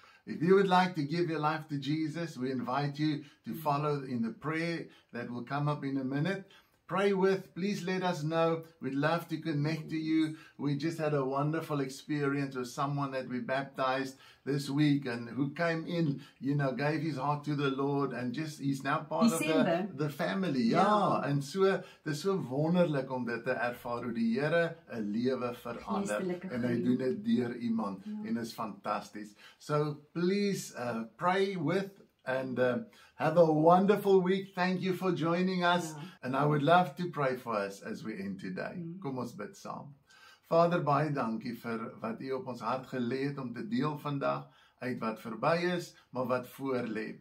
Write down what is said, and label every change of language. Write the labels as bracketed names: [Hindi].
[English] If you would like to give your life to Jesus, we invite you to follow in the prayer that will come up in a minute. Pray with, please let us know. We'd love to connect to you. We just had a wonderful experience with someone that we baptized this week and who came in, you know, gave his heart to the Lord and just, he's now part of the family. Yeah. [Afrikaans] And so, dis so wonderlik om dit te ervaar hoe die Here 'n lewe verander. En hy doen dit deur iemand. En is fantasties. [English] So please pray with and have a wonderful week. Thank you for joining us. Yeah. And I would love to pray for us as we end today. [Afrikaans] Mm-hmm. Kom ons bid saam. Vader, baie dankie vir wat U op ons hart gelê het om te deel vandag uit wat verby is, maar wat voorlê.